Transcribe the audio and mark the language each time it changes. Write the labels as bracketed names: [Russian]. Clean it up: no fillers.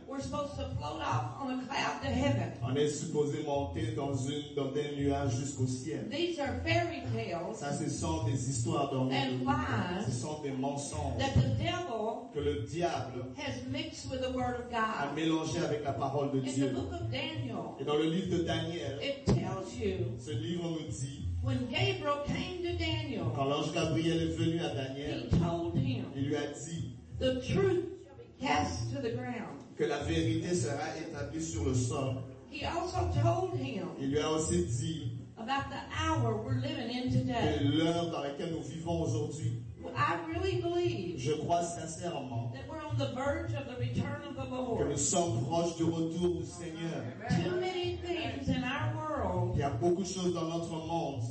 [English] We're supposed to float off on a cloud to heaven. [French] On est supposé monter dans un nuage jusqu'au ciel. [English] These are fairy tales. [French] Ça, ce sont des histoires dans le monde. [English] And lies. [French] Ce sont des mensonges. [English] That the devil. [French] Que le diable. [English] Has mixed with the word of God. [French] A mélangé avec la parole de [English] In [French] Dieu. [English] In the book of Daniel. [French] Et dans le livre de Daniel. [English] It tells you. [French] Ce livre nous dit. [English] When Gabriel came to Daniel. [French] Quand l'ange Gabriel est venu à Daniel. [English] He told him. [French] Il lui a dit. [English] The truth shall be cast to the ground. [French] Que la vérité sera établie sur le sol. [English] He also told him [French] Il lui a aussi dit [English] about the hour we're living in today. [French] Que l'heure dans laquelle nous vivons aujourd'hui. [English] I really believe [French] Je crois sincèrement [English] that we're on the verge of the return of the Lord. [French] Que nous sommes proches du retour du Seigneur. [English] Too many things in our world [French] Il y a beaucoup de choses dans notre monde